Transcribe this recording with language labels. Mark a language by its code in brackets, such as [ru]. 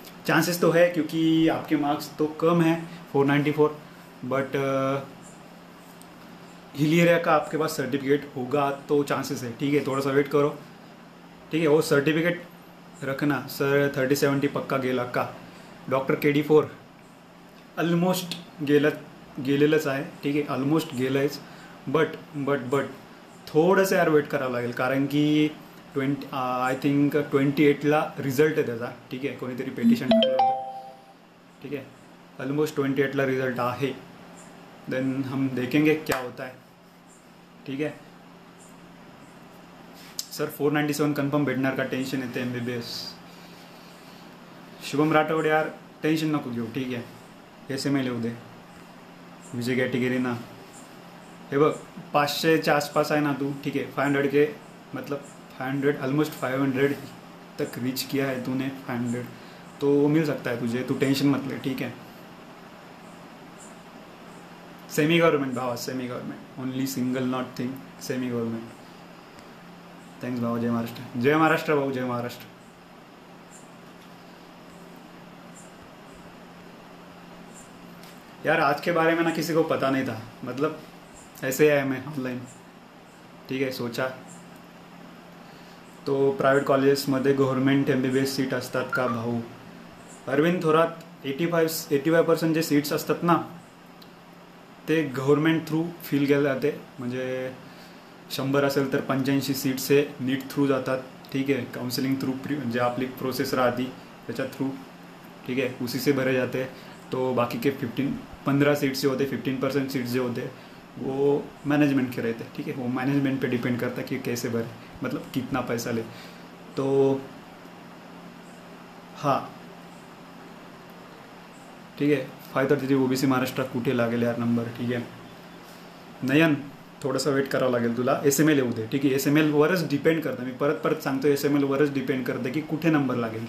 [hi] Chances तो है क्योंकि आपके मार्क्स तो कम हैं 494, बट हिलियर का आपके पास सर्टिफिकेट होगा तो चांसेस है। ठीक है, थोड़ा सा वेट करो। ठीक है, वो सर्टिफिकेट रखना सर, 3070 [mr] पक्का गेला का। डॉक्टर KD4 अलमोस्ट गेलेलच आहे। ठीक है, अलमोस्ट गेलेच, बट थोडं सा यार वेट करावं लागेल, कारण की 20 आय थिंक 28 रिझल्ट आहे त्याचा। ठीक आहे, कोणीतरी पेटिशन टाकलं होतं। ठीक आहे, ऑलमोस्ट 28 रिझल्ट आहे, [hi] देन हम देखेंगे क्या होता है। [mr] ठीक है सर, 497 कन्फर्म भेटणार का? टेन्शन येते MBBS। शुभम राठोड यार टेन्शन नको घेऊ, ठीक आहे, SML येऊ दे, विजय कॅटेगरी ना। हे बघ, 500 आसपास आहे ना तू। [hi] ठीक आहे, 500 के मतलब 500, ऑलमोस्ट 500 तक रीच किया है तूने, 500 तो मिल सकता है तुझे, तू टेंशन मत ले। [en] ठीक है, semi government भावा, semi government, only single not thing, semi government. [mr] Thanks भाव, जय महाराष्ट्र, जय महाराष्ट्र भाऊ, जय महाराष्ट्र। [hi] यार आज के बारे में ना किसी को पता नहीं था, मतलब ऐसे आया मैं ऑनलाइन। ठीक है, सोचा तो [mr] प्राइवेट कॉलेजेस मध्ये गवर्नमेंट MBBS सीट असतात का भाऊ? अरविंद थोरात, 85% जे सीट्स असतात ना ते गव्हर्नमेंट थ्रू फिल केले जाते, म्हणजे 100 असेल तर 85 सीट्स हे नीट थ्रू जातात। ठीक आहे, काउन्सिलिंग थ्रू, म्हणजे आपली प्रोसेस राहती त्याच्या थ्रू, ठीक आहे, [hi] उसी से भरे जाते। तो बाकी के 15 सीट्स [mr] जे होते, [hi] 15% सीट्स जे होते वो मैनेजमेंट के रहते। ठीक है, वो मैनेजमेंट पे डिपेंड करता है कि कैसे भरे, मतलब कितना पैसा ले। तो हाँ ठीक है, [mr] 533 OBC महाराष्ट्र कुठे लागेल यार नंबर? ठीक है नयन, थोडं सा वेट करावं लागेल तुला, SML येऊ दे। ठीक आहे, SML वरच डिपेंड करतं, मी परत परत सांगतो, SML वरच डिपेंड करतं की कुठे नंबर लागेल।